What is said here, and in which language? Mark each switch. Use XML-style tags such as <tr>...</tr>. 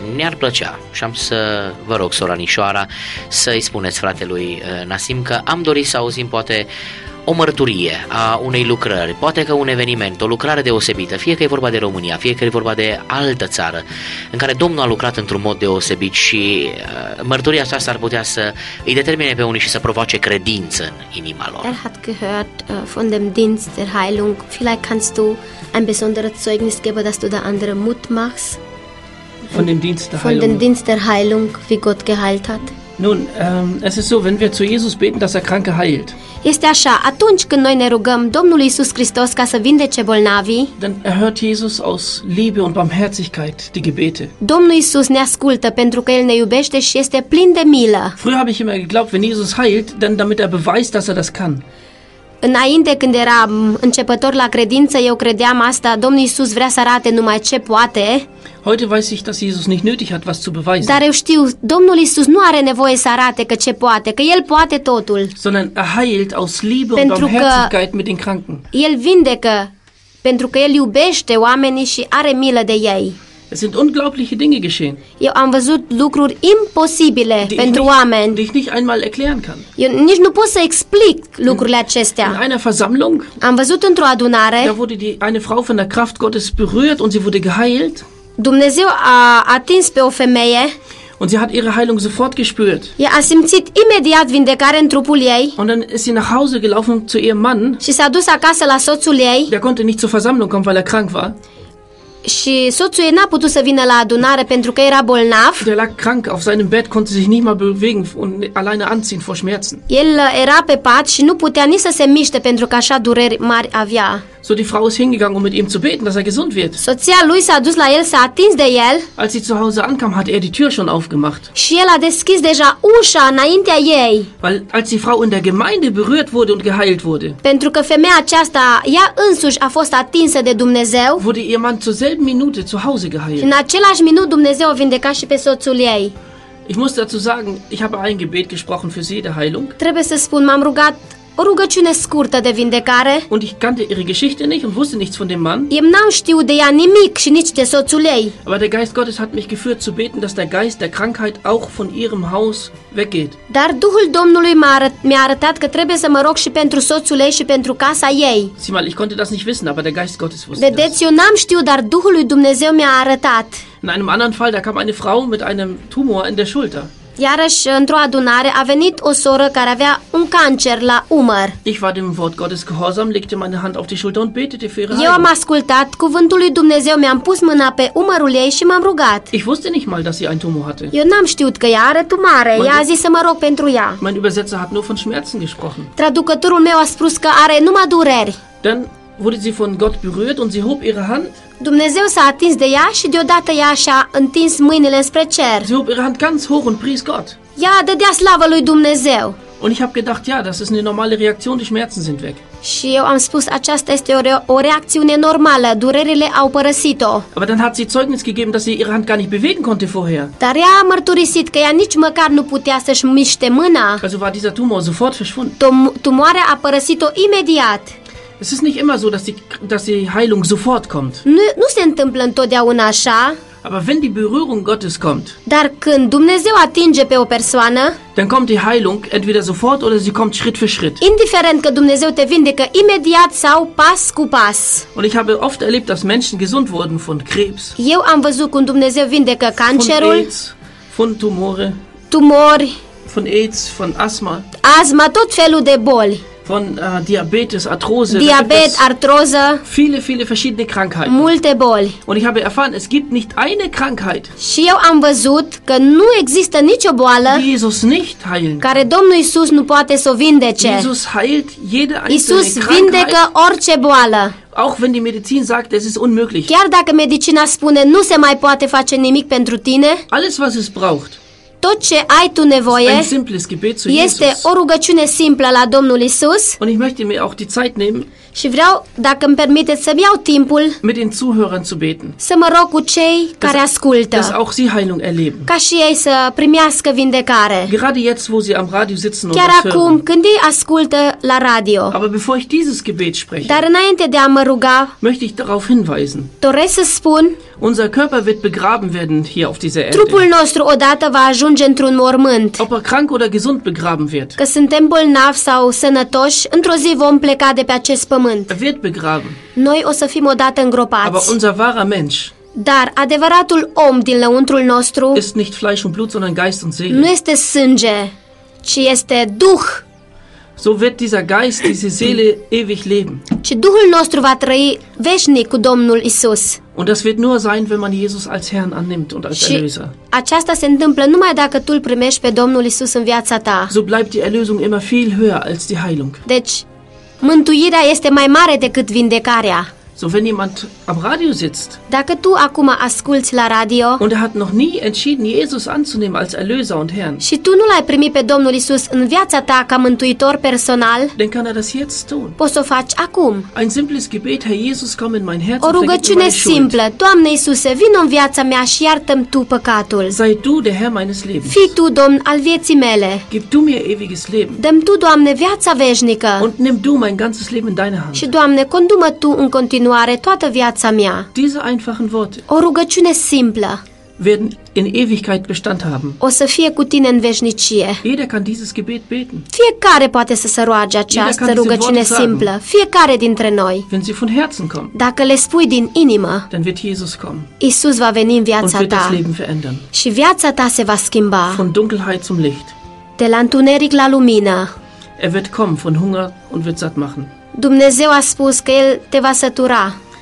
<ro>Ne-ar plăcea și am să vă rog, sora Nișoara, să-i spuneți fratelui Nassim că am dorit să auzim poate o mărturie a unei lucrări, poate că un eveniment, o lucrare deosebită, fie că e vorba de România, fie că e vorba de altă țară, în care Domnul a lucrat într-un mod deosebit și mărturia aceasta ar putea să îi determine pe unii și să provoace credință în inima lor.</ro> <de>Er hat gehört von dem Dienst der Heilung. Vielleicht kannst du ein besonderes Zeugnis geben, dass du da andere Mut machst. Von dem Dienst der Heilung, wie Gott geheilt hat. Nun, es ist so, wenn wir zu Jesus beten, dass er Kranke heilt.</de> <ro>Este așa, atunci când noi ne rugăm Domnului Iisus Hristos ca să vindece bolnavii,</ro> <de>dann erhört Jesus aus Liebe und Barmherzigkeit die Gebete.</de> <ro>Domnul Iisus ne ascultă pentru că el ne iubește și este plin de milă.</ro> <de>Früher habe ich immer geglaubt, wenn Jesus heilt, dann damit er beweist, dass er das kann.</de> <ro>Înainte, când eram începător la credință, eu credeam asta, Domnul Iisus vrea să arate numai ce poate.</ro> <de>Heute weiß ich, dass Jesus nicht nötig hat, was zu beweisen.</de> <ro>Dar eu știu, Domnul Iisus nu are nevoie să arate că ce poate, că el poate totul.</ro> <de>Sondern er heilt aus Liebe und Barmherzigkeit mit den Kranken.</de> <ro>El vindecă pentru că el iubește oamenii și are milă de ei.</ro> <de>Es sind unglaubliche Dinge geschehen.</de> <ro>Eu am văzut lucruri imposibile pentru oameni.</ro> <de>Die ich nicht einmal erklären kann.</de> <ro>Eu nici nu pot să explic lucrurile acestea.</ro> <de>In einer Versammlung.</de> <ro>Am văzut într-o adunare.</ro> <de>Da wurde eine Frau von der Kraft Gottes berührt und sie wurde geheilt.</de> <ro>Dumnezeu a atins pe o femeie.</ro> <de>Und sie hat ihre Heilung sofort gespürt.</de> <ro>Ja, a simțit imediat vindecare în trupul ei.</ro> <de>Und dann ist sie nach Hause gelaufen zu ihrem Mann.</de> <ro>Și s-a dus acasă la soțul ei.</ro> <de>Der konnte nicht zur Versammlung kommen, weil er krank war.</de> <ro>Și soțul ei n-a putut să vină la adunare pentru că era bolnav.</ro> <de>Der lag krank auf seinem Bett, konnte sich nicht mal bewegen und alleine anziehen vor Schmerzen.</de> <ro>El era pe pat și nu putea nici să se miște pentru că așa dureri mari avea.</ro> <de>So die Frau ist hingegangen, um mit ihm zu beten, dass er gesund wird.</de> <ro>Soția lui s-a dus la el, s-a atins de el.</ro> <de>Als sie zu Hause ankam, hat er die Tür schon aufgemacht.</de> <ro>Și el a deschis deja ușa înaintea ei.</ro> <de>Weil als die Frau in der Gemeinde berührt wurde und geheilt wurde.</de> <ro>Pentru că femeia aceasta, ea însuși a fost atinsă de Dumnezeu.</ro> <de>Wurde ihr Mann zur selben Minute zu Hause geheilt.</de> <ro>În același minut Dumnezeu a vindecat și pe soțul ei.</ro> <de>Ich muss dazu sagen, ich habe ein Gebet gesprochen für sie, der Heilung.</de> <ro>Trebuie să spun, m-am rugat o rugăciune scurtă de vindecare.</ro> <de>Und ich kannte ihre Geschichte nicht und wusste nichts von dem Mann.</de> <ro>Eu n-am știut de ea nimic și nici de soțul ei.</ro> <de>Aber der Geist Gottes hat mich geführt zu beten, dass der Geist der Krankheit auch von ihrem Haus weggeht.</de> <ro>Dar Duhul Domnului mi-a arătat că trebuie să mă rog și pentru soțul ei și pentru casa ei.</ro> <de>Sieh mal, ich konnte das nicht wissen, aber der Geist Gottes wusste.</de> <ro>Vedeți, eu n-am știut, dar Duhul lui Dumnezeu mi-a arătat.</ro> <de>In einem anderen Fall, da kam eine Frau mit einem Tumor in der Schulter.</de> <ro>Iarăși, într-o adunare, a venit o soră care avea un cancer la umăr.</ro> <de>Ich war dem Wort Gottes gehorsam, legte meine Hand auf die Schulter und betete für ihre Heilung.</de> <ro>Eu am ascultat cuvântul lui Dumnezeu, mi-am pus mâna pe umărul ei și m-am rugat.</ro> <de>Ich wusste nicht mal, dass sie einen Tumor hatte.</de> <ro>Eu n-am știut că ea are tumoare. Ea a zis să mă rog pentru ea.</ro> <de>Mein Übersetzer hat nur von Schmerzen gesprochen.</de> <ro>Traducătorul meu a spus că are numai dureri.</ro> <de>Dann wurde sie von Gott berührt und sie hob ihre Hand.</de> <ro>Dumnezeu s-a atins de ea și deodată ea și-a întins mâinile spre cer.</ro> <de>Sie hob ihre Hand ganz hoch und pries Gott.</de> <ro>Ja, dădea slavă lui Dumnezeu.</ro> <de>Und ich habe gedacht, ja, das ist eine normale Reaktion, die Schmerzen sind weg.</de> <ro>Și eu am spus, aceasta este o reacțiune normală, durerile au părăsit-o.</ro> <de>Aber dann hat sie Zeugnis gegeben, dass sie ihre Hand gar nicht bewegen konnte vorher.</de> <ro>Dar ea a mărturisit că ea nici măcar nu putea să-și miște mâna.</ro> <de>Also war dieser Tumor sofort verschwunden.</de> <ro>Tumoarea a părăsit-o imediat.</ro> <de>Es ist nicht immer so, dass die Heilung sofort kommt.</de> <ro>Nu se întâmplă întotdeauna așa.</ro> <de>Aber wenn die Berührung Gottes kommt.</de> <ro>Dar când Dumnezeu atinge pe o persoană,</ro> <de>dann kommt die Heilung entweder sofort oder sie kommt Schritt für Schritt.</de> <ro>Indiferent că Dumnezeu te vindecă imediat sau pas cu pas.</ro> <de>Und ich habe oft erlebt, dass Menschen gesund wurden von Krebs.</de> <ro>Eu am văzut cum Dumnezeu vindecă cancerul.</ro> <de>Von AIDS, von Tumore.</de> <ro>Tumori.</ro> <de>Von AIDS, von Asthma.</de> <ro>Asma, tot felul de boli.</ro> <de>Von Diabetes, Arthrose,</de> <ro>Diabet, Arthrose,</ro> <de>viele, viele verschiedene Krankheiten.</de> <ro>Multe boli.</ro> <de>Und ich habe erfahren, es gibt nicht eine Krankheit.</de> <ro>Și eu am văzut că nu există nicio boală.</ro> <de>Jesus nicht heilen.</de> <ro>Care Domnul Iisus nu poate să o vindece.</ro> <de>Jesus heilt jede einzelne</de> <ro>Iisus</ro> <de>Krankheit.</de> <ro>Vindecă orice boală.</ro> <de>Auch wenn die Medizin sagt, es ist unmöglich.</de> <ro>Chiar dacă medicina spune nu se mai poate face nimic pentru tine.</ro> <de>Alles was es braucht.</de> <ro>Tot ce ai tu nevoie este o rugăciune simplă la Domnul Iisus.</ro> <de>Und ich möchte mir auch die Zeit nehmen,</de> <ro>și vreau, dacă îmi permiteți, să-mi iau timpul</ro> <de>mit den Zuhörern zu beten,</de> <ro>să mă rog cu cei care ascultă,</ro> <de>dass auch sie Heilung erleben,</de> <ro>ca și ei să primească vindecare.</ro> <de>Gerade jetzt, wo sie am radio sitzen,</de> <ro>chiar acum, când ei ascultă la radio.</ro> <de>Aber bevor ich dieses Gebet spreche,</de> <ro>dar înainte de a mă ruga,</ro> <de>möchte ich darauf hinweisen,</de> <ro>doresc să spun,</ro> <de>unser Körper wird begraben werden hier auf dieser Erde.</de> <ro>Trupul nostru odată va ajunge într-un mormânt.</ro> <de>Ob er krank oder gesund begraben wird.</de> <ro>Că suntem bolnavi sau sănătoși, într-o zi vom pleca de pe acest pământ.</ro> <de>Er wird begraben.</de> <ro>Noi o să fim odată îngropați.</ro> <de>Aber unser wahrer Mensch.</de> <ro>Dar adevăratul om din lăuntrul nostru</ro> <de>ist nicht Fleisch und Blut, sondern Geist und Seele.</de> <ro>Nu este sânge, ci este duh.</ro> <de>So wird dieser Geist, diese Seele ewig leben.</de> <ro>Și Duhul nostru va trăi veșnic cu Domnul Iisus.</ro> <de>Und das wird nur sein, wenn man Jesus als Herrn annimmt und als Erlöser.</de> <ro>Aceasta se întâmplă numai dacă tu îl primești pe Domnul Iisus în viața ta.</ro> <de>So bleibt die Erlösung immer viel höher als die Heilung.</de> <ro>Deci, mântuirea este mai mare decât vindecarea.</ro> <de>So wenn jemand am Radio sitzt.</de> <ro>Dacă tu acum asculți la radio.</ro> <de>Und er hat noch nie entschieden Jesus anzunehmen als Erlöser und Herrn.</de> <ro>Și tu nu l-ai primit pe Domnul Iisus în viața ta ca mântuitor personal.</ro> <de>Dann kann er das jetzt tun.</de> <ro>Poți să o faci acum.</ro> <de>Ein simples Gebet, Herr Jesus, komm in mein Herz.</de> <ro>O rugăciune simplă. Doamne Iisuse, vino în viața mea și iartă-mi tu păcatul.</ro> <de>Sei du der Herr meines Lebens.</de> <ro>Fii tu Domn al vieții mele.</ro> <de>Gib du mir ewiges Leben.</de> <ro>Dă-mi tu, Doamne, viața veșnică.</ro> <de>Und nimm du mein ganzes Leben in deine Hand.</de> <ro>Și Doamne, condu-mă tu în continuare. Nu are toată viața mea.</ro> <de>Diese einfachen Worte.</de> <ro>O rugăciune simplă.</ro> <de>Werden in Ewigkeit Bestand haben.</de> <ro>O să fie cu tine în veșnicie.</ro> <de>Jeder kann dieses Gebet beten.</de> <ro>Fiecare poate să se roage această rugăciune simplă. Fiecare dintre noi.</ro> <de>Wenn sie von Herzen kommen.</de> <ro>Dacă le spui din inimă.</ro> <de>Dann wird Jesus kommen.</de> <ro>Iisus va veni în viața ta.</ro> <de>Und wird das Leben verändern.</de> <ro>Și viața ta se va schimba.</ro> <de>Von Dunkelheit zum Licht.</de> <ro>De la întuneric la lumină.</ro> <de>Er wird kommen von Hunger und wird satt machen.</de> <ro>Dumnezeu a spus că El te va sătura.</ro>